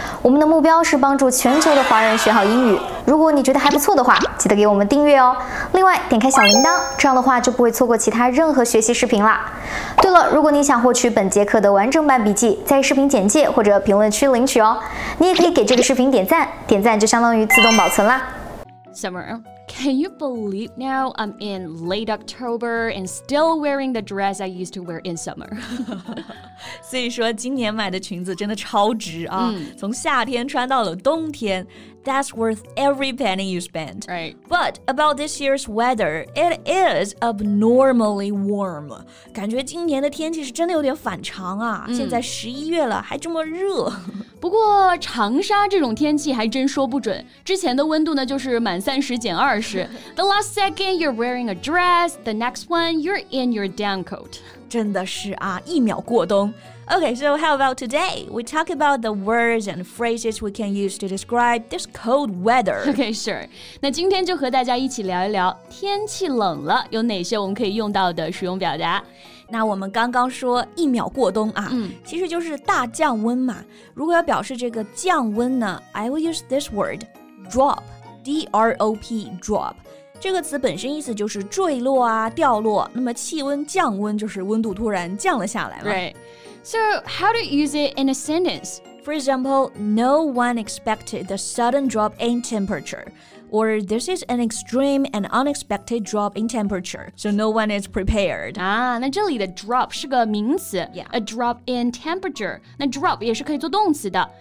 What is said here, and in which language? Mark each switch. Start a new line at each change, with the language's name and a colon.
Chinese: 我们的目标是帮助全球的华人学好英语。如果你觉得还不错的话，记得给我们订阅哦。另外，点开小铃铛，这样的话就不会错过其他任何学习视频啦。对了，如果你想获取本节课的完整版笔记，在视频简介或者评论区领取哦。你也可以给这个视频点赞，点赞就相当于自动保存啦。
English: Summer, can you believe now I'm in late October and still wearing the dress I used to wear in summer?
Chinese: 所以说今年买的裙子真的超值啊、mm. 从夏天穿到了冬天
English: That's worth every penny you spent. Right. But about this year's weather, it is abnormally warm.
Chinese: 感觉今年的天气是真的有点反常啊、mm. 现在十一月了还这么热。不过长沙这种天气还真说不准。之前的温度呢就是满三十减二十。
English: The last second you're wearing a dress, the next one you're in your down coat.
Chinese: 真的是啊，一秒过冬。
English: Okay, so how about today? We talk about the words and phrases we can use to describe this cold weather. Okay, sure.
Chinese: 那今天就和大家一起聊一聊天气冷了有哪些我们可以用到的实用表达。那我们刚刚说一秒过冬啊、嗯、其实就是大降温嘛。如果要表示这个降温呢
English: I will use this word, drop, D-R-O-P, drop.
Chinese: 这个词本身意思就是坠落啊掉落那么气温降温就是温度突然降了下来
English: 嘛。Right. So how to use it in a sentence? For example, no one expected the sudden drop in temperature. Or this is an extreme and unexpected drop in temperature, so no one is prepared.
Chinese: 啊，那这里的 drop 是个名词
English: ，yeah, a drop in temperature.
Chinese: 那 drop 也是可以做动词的。